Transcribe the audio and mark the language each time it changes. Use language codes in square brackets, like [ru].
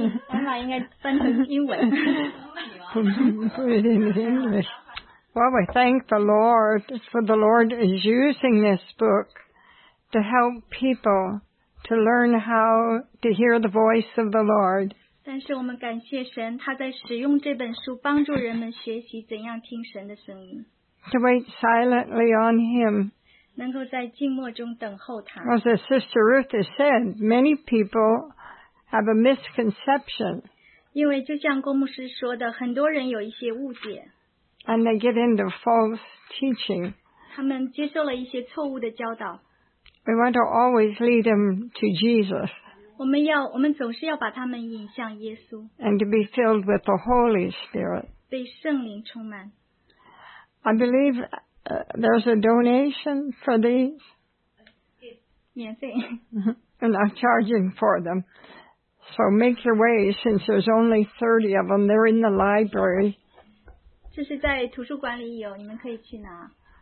[zh] Emma 应该翻成英文。 [en] Put it in English. Well, we thank the Lord, for the Lord is using this book to help people to learn how to hear the voice of the Lord. [zh] 但是我们感谢神，他在使用这本书帮助人们学习怎样听神的声音。 [en] To wait silently on Him. [zh] 能够在静默中等候他。 [en] As Sister Ruth has said, many people have a misconception. [zh] 因为就像郭牧师说的，很多人有一些误解。 [en] And they get into false teaching. [zh] 他们接受了一些错误的教导。 [en] We want to always lead them to Jesus. [zh] 我们总是要把他们引向耶稣。 [en] And to be filled with the Holy Spirit. [zh] 被圣灵充满。 [en] I believe there's a donation for these. [zh] 免费。 [en] And I'm charging for them. So make your way, since there's only 30 of them, they're in the library. [zh] 这是在图书馆里有，你们可以去拿。